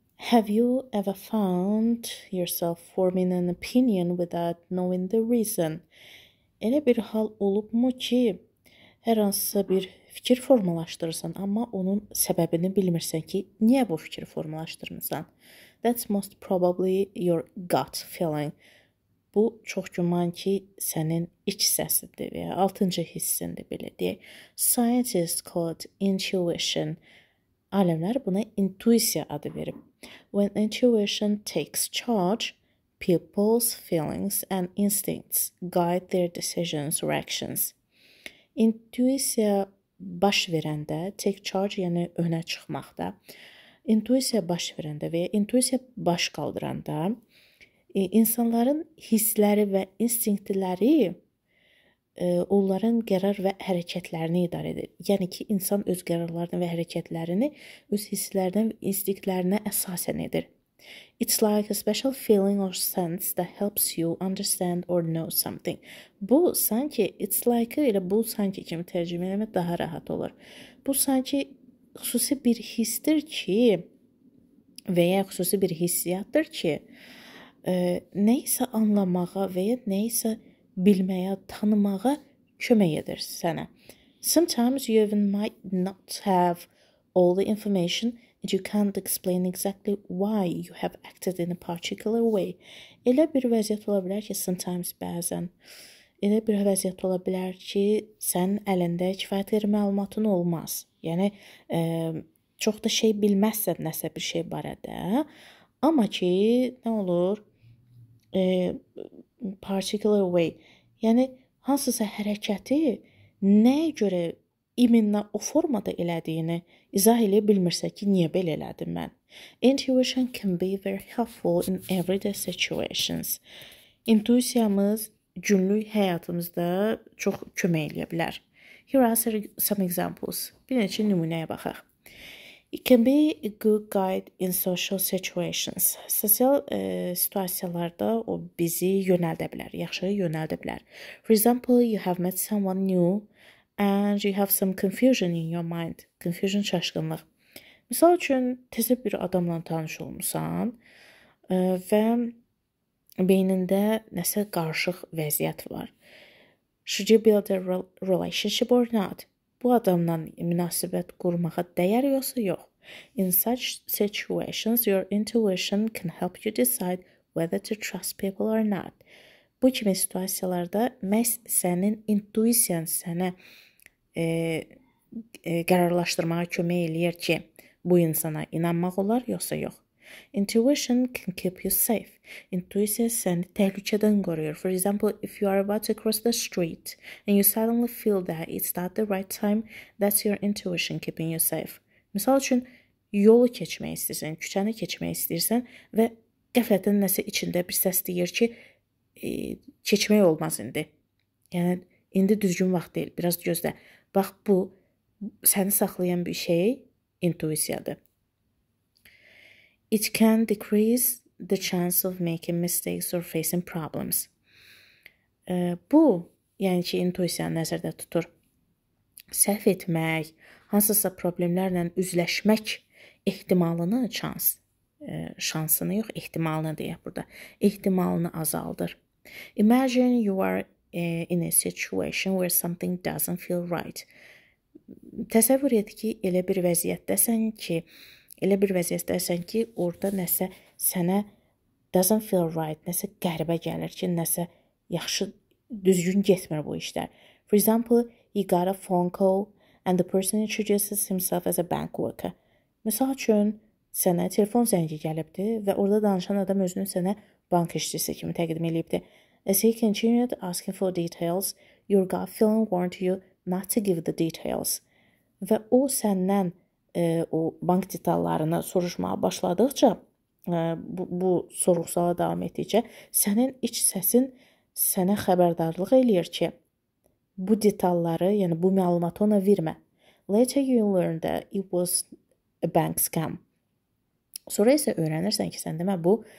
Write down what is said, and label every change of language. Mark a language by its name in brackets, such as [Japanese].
[English] Have you ever found yourself forming an opinion without knowing the reason? [Azerbaijani] Elə bir hal olubmu ki, hər hansısa bir fikir formalaşdırırsan, amma onun səbəbini bilmirsən ki, niyə bu fikri formalaşdırmısan? [English] That's most probably your gut feeling. [Azerbaijani] Bu, çox güman ki, sənin iç səsidir və ya altıncı hissindir belə deyək. [English] Scientists call it intuition. [Azerbaijani] Alimlər buna intuisiya adı verib. [English] When intuition takes charge, people's feelings and instincts guide their decisions or actions. [Azerbaijani] İntuisiya baş verəndə, take charge, yəni önə çıxmaqda, intuisiya baş verəndə və ya intuisiya baş qaldıranda, İnsanların hissləri və instinktləri onların qərar və hərəkətlərini idarə edir. Yəni ki, insan öz qərarlarını və hərəkətlərini öz hisslərindən və instinktlərinə əsasən edir. [English] It's like a special feeling or sense that helps you understand or know something. [Azerbaijani] Bu sanki, [English] it's like [Azerbaijani] ilə bu sanki kimi tərcümə etmək daha rahat olur. Bu sanki xüsusi bir hissdir ki, və ya xüsusi bir hissiyatdır ki, nə isə anlamağa və ya nə isə bilməyə, tanımağa kömək edir sənə. [English] Sometimes you even might not have all the information and you can't explain exactly why you have acted in a particular way. [Azerbaijani] Elə bir vəziyyət ola bilər ki, sometimes bəzən, elə bir vəziyyət ola bilər ki, sən əlində kifayət qədər məlumatın olmaz. Yəni, çox da şey bilməzsən nəsə bir şey barədə. Amma ki, nə olur? Particular way. Yəni, hansısa hərəkəti nəyə görə iminlə o formada elədiyini izah eləyə bilmirsə ki, niyə belə elədim mən? [English] Intuition can be very helpful in everyday situations. [Azerbaijani] İntuisiyamız günlük həyatımızda çox kömək eləyə bilər. [English] Here are some examples. [Azerbaijani] Bir neçə nümunəyə baxaq. [English] It can be a good guide in social situations. [Azerbaijani] Sosial situasiyalarda o bizi yönəldə bilər, yaxşı yönəldə bilər. [English] For example, you have met someone new and you have some confusion in your mind. [Azerbaijani] Confusion, şaşkınlıq. Misal üçün, tez bir adamla tanış olmuşsan və beynində nəsə qarışıq vəziyyət var. [English] Should you build a relationship or not? [Azerbaijani] Bu adamla münasibət qurmağa dəyər yoxsa yox. [English] In such situations, your intuition can help you decide whether to trust people or not. [Azerbaijani] Bu kimi situasiyalarda məhz sənin intuisiyan sənə qərarlaşdırmağa kömək eləyir ki, bu insana inanmaq olar yoxsa yox. [English] Intuition can keep you safe. [Azerbaijani] Intuisiya səni təhlükədən qoruyur. [English] For example, if you are about to cross the street and you suddenly feel that it's not the right time, that's your intuition keeping you safe. [Azerbaijani] Misal üçün, yolu keçmək istəyirsən, küçəni keçmək istəyirsən və qəflətən nəsə içində bir səs deyir ki, keçmək olmaz indi. Yəni, indi düzgün vaxt deyil, biraz gözlə. Bax, bu səni saxlayan bir şey intuisiyadır. [English] It can decrease the chance of making mistakes or facing problems. [Azerbaijani] Bu, yəni ki, intuisiyanı nəzərdə tutur. Səhv etmək, hansısa problemlərlə üzləşmək ehtimalını, ehtimalını deyək burada, ehtimalını azaldır. [English] Imagine you are in a situation where something doesn't feel right. [Azerbaijani] Təsəvvür et ki, elə bir vəziyyətdəsən ki, elə bir vəziyyətdəsən ki, orada nəsə sənə [English] doesn't feel right, [Azerbaijani] nəsə qəribə gəlir ki, nəsə yaxşı, düzgün getmir bu işlər. [English] For example, he got a phone call and the person introduces himself as a bank worker. [Azerbaijani] Misal üçün, sənə telefon zəngi gəlibdir və orada danışan adam özünü sənə bank işçisi kimi təqdim eləyibdir. [English] As he continued asking for details, your gut feeling warned you not to give the details. [Azerbaijani] Və o səndən o bank detallarını soruşmağa başladıqca, bu soruqsala davam etdikcə, sənin iç səsin sənə xəbərdarlıq eləyir ki, bu detalları, yəni bu məlumatı ona vermə. [English] Later you learn that it was a bank scam. [Azerbaijani] Sonra isə öyrənirsən ki, sən demə bu